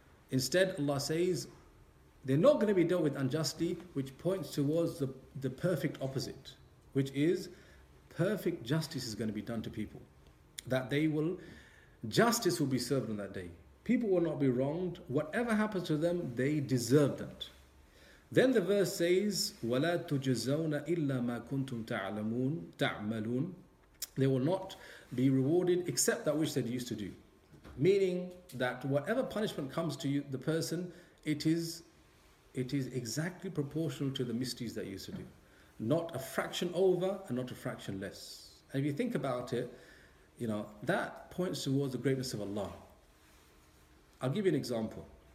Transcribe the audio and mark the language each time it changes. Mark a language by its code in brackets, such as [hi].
[en] Instead, Allah says, they're not going to be dealt with unjustly, which points towards the perfect opposite, which is perfect justice is going to be done to people. That they will justice will be served on that day. People will not be wronged. Whatever happens to them, they deserve that. Then the verse says, [ar] وَلَا تُجَزَوْنَ إِلَّا مَا كُنْتُمْ تَعْمَلُونَ. [en] They will not be rewarded except that which they used to do. Meaning that whatever punishment comes to you, the person, it is exactly proportional to the misdeeds that you used to do. Not a fraction over and not a fraction less. And if you think about it, you know, that points towards the greatness of Allah. I'll give you an example.